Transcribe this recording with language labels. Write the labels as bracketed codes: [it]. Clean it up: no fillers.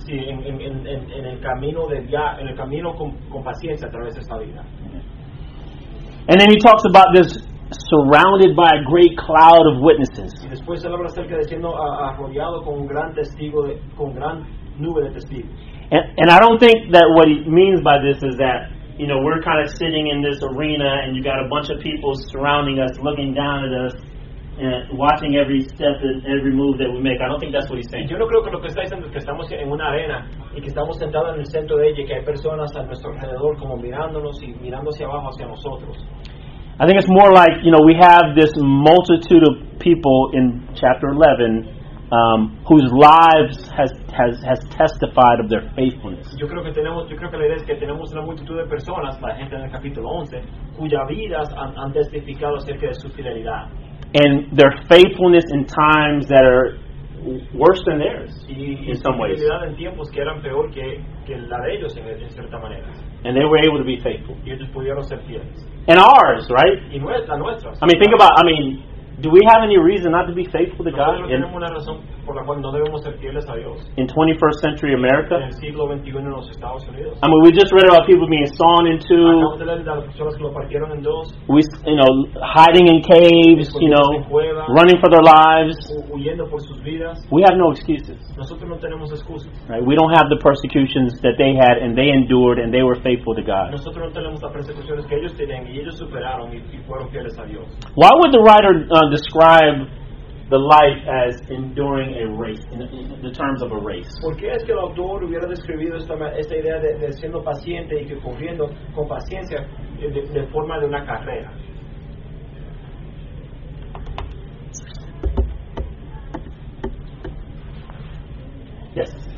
[es] Sí, en el camino de ya, en el camino con paciencia a través de esta vida. [en] And then he talks about this surrounded by a great cloud of witnesses. [es] Y después él habla acerca de siendo rodeado con un gran testigo, con gran nube de testigos. [en] And I don't think that what he means by this is that, you know, we're kind of sitting in this arena and you got a bunch of people surrounding us, looking down at us, and watching every step and every move that we make. I don't think that's what he's saying. [es] Yo no creo que lo que está diciendo es que estamos en una arena y que estamos sentados en el centro de ella y que hay personas a nuestro alrededor como mirándonos y mirando hacia abajo hacia nosotros. [en] I think it's more like, you know, we have this multitude of people in chapter 11 whose lives has testified of their faithfulness. [es] Yo creo que la idea es que tenemos una multitud de personas, la gente en el capítulo 11, cuyas vidas han testificado acerca de su fidelidad. [en] And their faithfulness in times that are worse than theirs, in some ways. [es] En tiempos que eran peor que la de ellos, en cierta manera. [en] And they were able to be faithful. [es] Y ellos pudieron ser fieles. [en] And ours, right? [es] Y nuestros. [en] I mean, think about. I mean, do we have any reason not to be faithful to God? [es] No tenemos una razón por la cual no debemos ser fieles a Dios. [en] In 21st century America. [es] En el siglo 21 en los Estados Unidos. [en] I mean, we just read about people being sawn in two. [es] Acabamos de leer de las personas que lo partieron en dos. [en] We, you know, hiding in caves, you know, running for their lives. [es] Huyendo por sus vidas. [en] We have no excuses. [es] Nosotros no tenemos excusas. [en] Right? We don't have the persecutions that they had and they endured and they were faithful to God. [es] Nosotros no tenemos las persecuciones que ellos tenían y ellos superaron y fueron fieles a Dios. [en] Why would the writer describe the life as enduring a race in the terms of a race? [es] ¿Por qué es que el autor hubiera describido esta idea de siendo paciente y que corriendo con paciencia de forma de una carrera? [en] Yes.